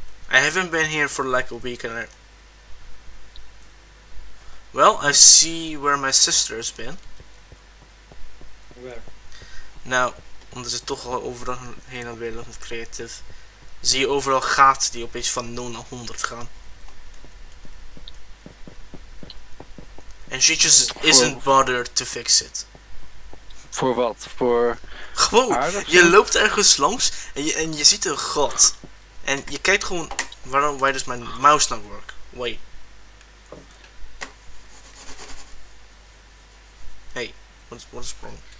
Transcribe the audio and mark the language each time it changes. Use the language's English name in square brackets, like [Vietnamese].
[English] I haven't been here for like a week and well, I see where my sister has been. Where? [Dutch] Nou, omdat ze toch al overal heen en weer lopen met creative, zie je overal gaten die opeens van 0 naar 100 gaan. [English] And she just isn't bothered to fix it. [Dutch] Voor wat? Voor. Gewoon, je loopt ergens langs en je ziet een gat. En je kijkt gewoon. [English] Why does my mouse not work? Wait. Hey, what's wrong?